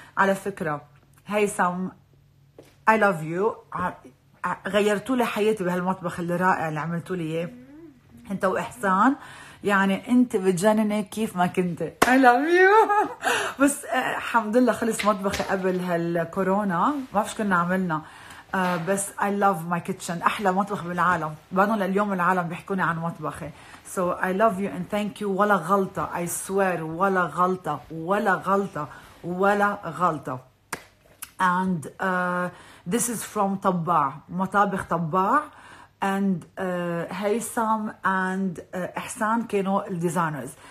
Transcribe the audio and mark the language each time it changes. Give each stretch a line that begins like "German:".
Arabic: على فكره هيثم
English: I love you،
Arabic: غيرتوا لي حياتي بهالمطبخ الرائع اللي عملتوا لي اياه انت واحسان، يعني انت بتجنني كيف ما كنت I love you. بس الحمد لله خلص مطبخي قبل هالكورونا، ما فيش كنا عملنا، بس
English: I love my kitchen،
Arabic: احلى مطبخ بالعالم، بانوا لليوم العالم بيحكوني عن مطبخي.
English: So I love you and thank you،
Arabic: ولا غلطة
English: I swear،
Arabic: ولا غلطة ولا غلطة ولا غلطة.
English: And this is from طباع، مطابخ طباع.
Arabic: And هيثم and إحسان كانوا الديزاينرز.